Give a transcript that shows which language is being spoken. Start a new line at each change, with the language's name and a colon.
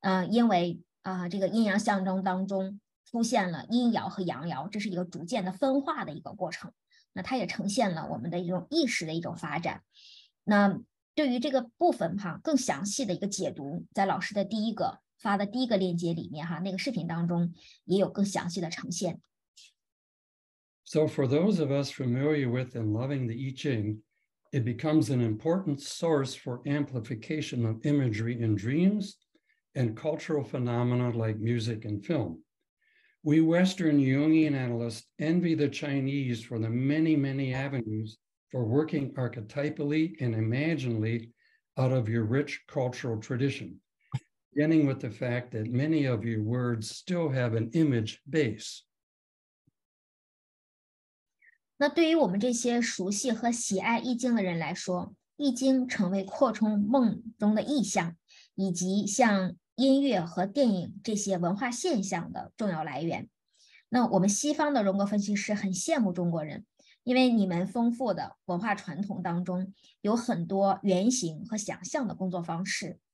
Chinese: 因为这个阴阳象征当中出现了阴爻和阳爻，这是一个逐渐的分化的一个过程。那它也呈现了我们的一种意识的一种发展。那对于这个部分哈更详细的一个解读，在老师的第一个发的第一个链接里面哈那个视频当中也有更详细的呈现。
English: So for those of us familiar with and loving the I Ching, it becomes an important source for amplification of imagery in dreams and cultural phenomena like music and film. We Western Jungian analysts envy the Chinese for the many, many avenues for working archetypally and imaginally out of your rich cultural tradition, beginning with the fact that many of your words still have an image base.
Chinese: 那对于我们这些熟悉和喜爱易经的人来说，易经成为扩充梦中的意象，以及像音乐和电影这些文化现象的重要来源。那我们西方的荣格分析师很羡慕中国人，因为你们丰富的文化传统当中有很多原型和想象的工作方式。